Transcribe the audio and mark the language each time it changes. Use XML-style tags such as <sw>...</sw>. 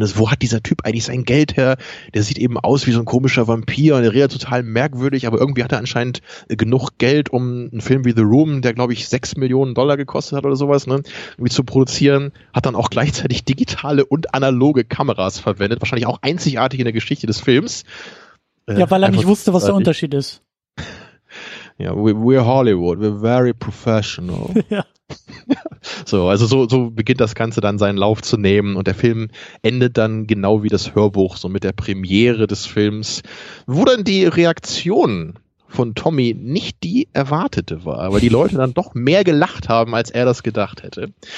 <de>Ist, wo hat dieser Typ eigentlich sein Geld her? Der sieht eben aus wie so ein komischer Vampir und der redet total merkwürdig, aber irgendwie hat er anscheinend genug Geld, um einen Film wie The Room, der glaube ich 6 Millionen Dollar gekostet hat oder sowas, ne, irgendwie zu produzieren, hat dann auch gleichzeitig digitale und analoge Kameras verwendet, wahrscheinlich auch einzigartig in der Geschichte des Films. Ja, weil er nicht wusste, was der Unterschied ist.</de> <en>Ja, we're Hollywood, we're very professional.</en> <de>Ja. So, also so beginnt das Ganze dann seinen Lauf zu nehmen und der Film endet dann genau wie das Hörbuch, so mit der Premiere des Films, wo dann die Reaktionen von Tommy nicht die erwartete war, weil die Leute dann doch mehr gelacht haben, als er das gedacht hätte.</de>